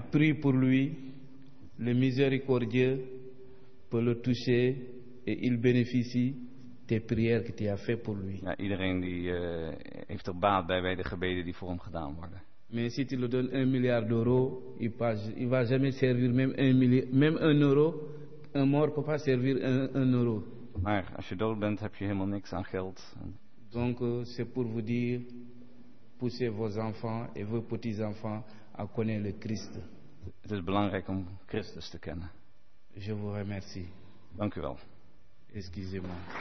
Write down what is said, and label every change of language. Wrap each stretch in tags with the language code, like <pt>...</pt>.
<fr>Tu pries pour lui, le miséricordieux peut le toucher et il bénéficie des prières que tu as fait pour lui.</fr> <nl>Ja, iedereen die heeft er baat bij de gebeden die voor hem gedaan worden.</nl> <fr>Mais si tu lui donnes 1 milliard d'euros, il va jamais servir même 1 euro. Un mort ne peut pas servir 1 euro.</fr> <nl>Maar als je dood bent, heb je helemaal niks aan geld.</nl> <fr>Donc c'est pour vous dire, poussez vos enfants et vos petits-enfants à connaître le Christ.</fr> <nl>Het is belangrijk om Christus te kennen.</nl> <fr>Je vous remercie.</fr> <nl>Dank u wel.</nl> <fr>Excusez-moi.</fr>